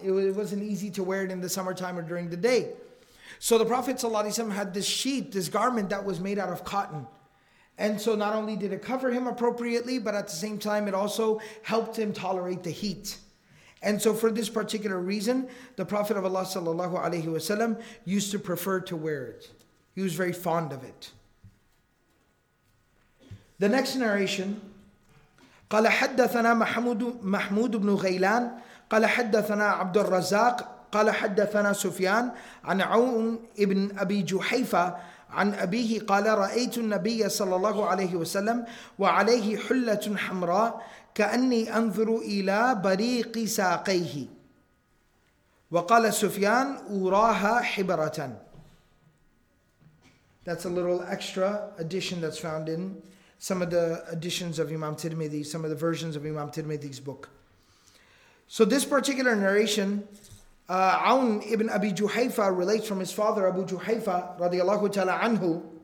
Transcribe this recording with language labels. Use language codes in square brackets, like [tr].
[en] It wasn't easy to wear it in the summertime or during the day. So the Prophet ﷺ had this sheet, this garment that was made out of cotton. And so not only did it cover him appropriately, but at the same time it also helped him tolerate the heat. And so for this particular reason, the Prophet of Allah ﷺ used to prefer to wear it. He was very fond of it. The next narration, [ar] قال حدثنا محمود بن غيلان قال حدثنا عبد الرزاق قال حدثنا سفيان عن عون ابن أبي جحيفة عن أبيه قال رأيت النبي صلى الله عليه وسلم وعليه حلة حمراء كأني أنظر إلى بريق ساقيه وقال سفيان أراها حبرة. [en] That's a little extra addition that's found in some of the editions of Imam Tirmidhi, some of the versions of Imam Tirmidhi's book. So this particular narration, Aun ibn Abi Juhayfa relates from his father, Abu Juhayfa, radiallahu ta'ala anhu.